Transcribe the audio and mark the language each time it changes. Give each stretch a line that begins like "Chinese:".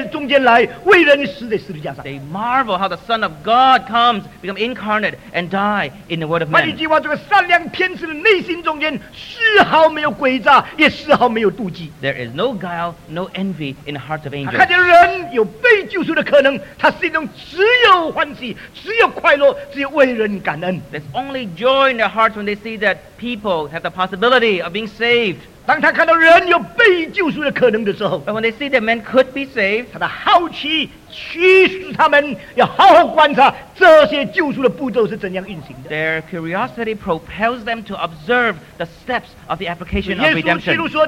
Chinese: 他很奇怪的，为什么上帝独生子愿意到人类中间来，为人死在十字架上。
English: They marvel how the Son of God comes, become incarnate and die in the word of man.
Chinese: 换句话，这个善良天使的内心中间丝毫没有诡诈，也丝毫没有妒忌。
English: There is no guile, no envy in the hearts of angels.
Chinese: 他看见人有被救赎的可能，他心中只有欢喜，只有快乐，只有为人感恩。
English: There's only joy in their hearts when they see that people have the possibility of being saved.
Chinese: 当他看到人有被救赎的可能的时候，
English: But when they see that men could be saved,
Chinese: 他的好奇驱使他们要好好观察这些救赎的步骤是怎样运行的。
English: Their curiosity propels them to observe the steps of the application of redemption.